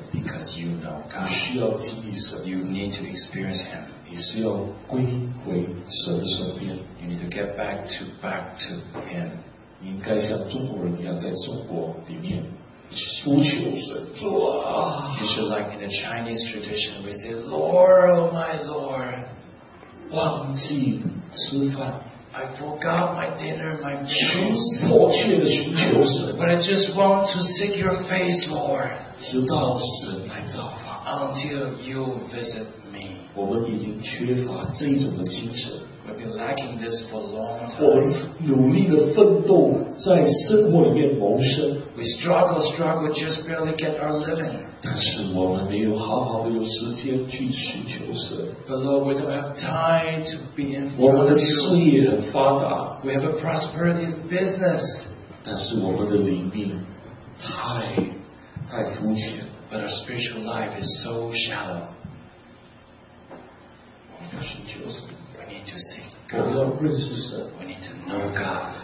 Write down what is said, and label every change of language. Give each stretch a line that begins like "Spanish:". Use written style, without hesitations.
English: because you know God.
Chinese: 你需要经历神,
English: you need to experience Him.
Chinese: 你是要归回神的身边,
English: you need to get back to Him.
Chinese: 你应该像中国人一样在中国里面, 呼求神主啊,
English: you should like in the Chinese tradition, we say, Lord, oh my Lord,
Chinese: 忘记吃饭,
English: I forgot my dinner, my meal, but I just want to seek your face, Lord,
Chinese: 直到神来造访,
English: until you visit me.
Chinese: 我们已经缺乏这种的精神,
English: we've been lacking this for a long time.
Chinese: 我们努力的奋斗, 在生活里面谋生,
English: we struggle, just barely get our living.
Chinese: 但是我们没有好好的有时间去寻求神。
English: But Lord, we don't have time to be in front of you.
Chinese: 我们的事业很发达,
English: we have a prosperity of business.
Chinese: 但是我们的灵命, 太肤浅,
English: but our spiritual life is so shallow.
Chinese: 我们要寻求神。
English: We need to seek God. We need to know God.